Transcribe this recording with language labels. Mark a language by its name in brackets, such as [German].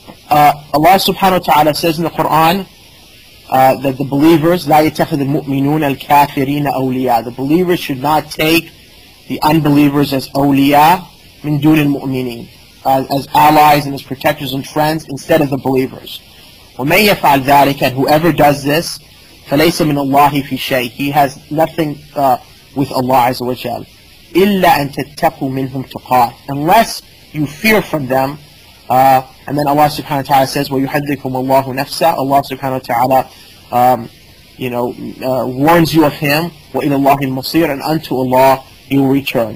[English] Allah subhanahu wa ta'ala says in the Quran that the believers, [Arabic] لا يتخذ المؤمنون الكافرين أولياء, [English] the believers should not take the unbelievers as [Arabic] أولياء من دون المؤمنين, [English] as allies and as protectors and friends instead of the believers. [Arabic] وَمَنْ يَفْعَلْ ذَلِكَ, [English] and whoever does this, [Arabic] فَلَيْسَ مِنَ اللَّهِ فِي شَيْءٍ, [English] he has nothing with Allah عز وجل. [Arabic] إِلَّا أَن تَتَّقُوا مِنْهُمْ تُقَاةً, [English] unless you fear from them. And then Allah subhanahu wa ta'ala says, [Arabic] وَيُحَذِّكُمُ اللَّهُ نَفْسًا, [English] Allah subhanahu wa ta'ala warns you of him, [Arabic] وَإِلَى اللَّهِ الْمَصِيرُ, [English] and unto Allah you will return.